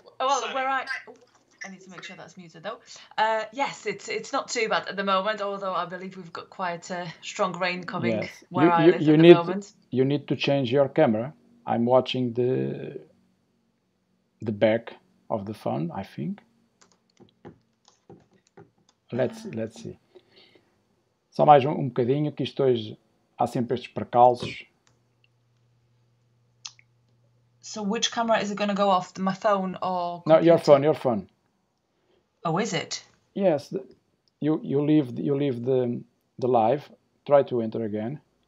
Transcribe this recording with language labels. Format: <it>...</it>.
<en>Oh, well, where I need to make sure that's muted though. Yes, it's not too bad at the moment, although I believe we've got quite a strong rain coming where I live at the moment. You need to change your camera. I'm watching the back of the phone, I think. Let's see.</en> <pt>Só mais um bocadinho, que isto hoje há sempre estes percalços.</pt> <en>So which camera is it going to go off? My phone or computer? No, your phone. Oh, is it? Yes. You leave the live. Try to enter again.</en>